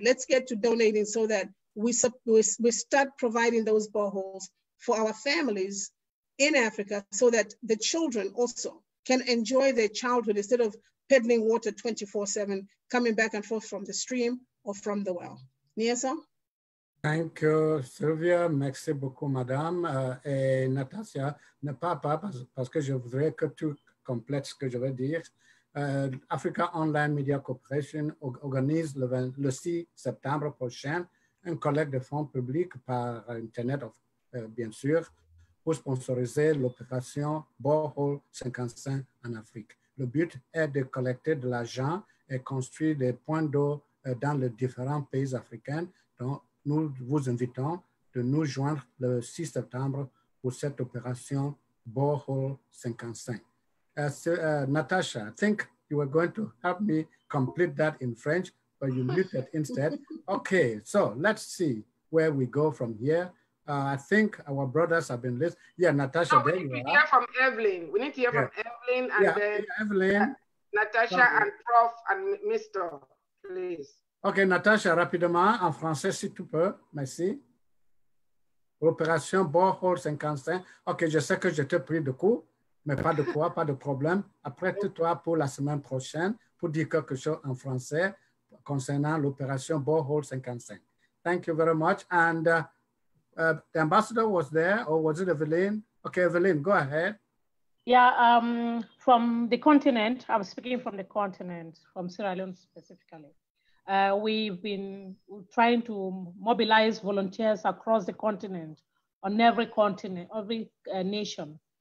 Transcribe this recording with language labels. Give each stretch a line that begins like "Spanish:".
English: Let's get to donating so that we start providing those boreholes for our families in Africa so that the children also can enjoy their childhood instead of peddling water 24/7, coming back and forth from the stream or from the well. Niasa? Thank you, Sylvia.
French: Merci beaucoup, madame. Et Natasha, ne pas parce que je voudrais que tu complètes ce que je veux dire. Africa Online Media Corporation organise le 6 septembre prochain un collecte de fonds publics par Internet, bien sûr, pour sponsoriser l'opération Borehole 55 en Afrique. Le but est de collecter de l'argent et construire des points d'eau dans les différents pays africains. Donc, nous vous invitons de nous joindre le 6 septembre pour cette opération Borehole 55.
English: Natasha, I think you were going to help me complete that in French, but you muted instead. Okay, so let's see where we go from here. I think our brothers have been listening. Yeah, Natasha, there you are. We need to hear from Evelyn. We need to hear from Evelyn and then Evelyn. Natasha and Prof and Mr., please.
French: Okay, Natasha, rapidement, en français, si tu peux. Merci. Opération Borehole 55. Okay, je sais que je t'ai pris de coup. Mais pas de quoi, pas de problème. Apprête-toi pour la semaine prochaine pour dire quelque chose en français concernant l'opération Borehole 55.
English: Thank you very much. And the ambassador was there, or was it Evelyn? Okay, Evelyn, go ahead. Yeah, from the continent, I'm speaking from the continent, from Sierra Leone specifically. We've been trying to mobilize volunteers across the continent, on every continent, every nation.